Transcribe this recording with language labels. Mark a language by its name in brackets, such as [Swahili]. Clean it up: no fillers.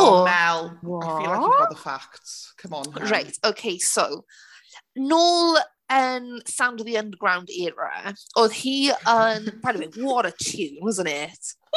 [English] O Mel, what? I feel like you've got the facts. Come on, her. Right, okay, so... [Welsh] Nôl yn Sound of the Underground era, oedd hi yn... [English] By the way, what a tune, wasn't it?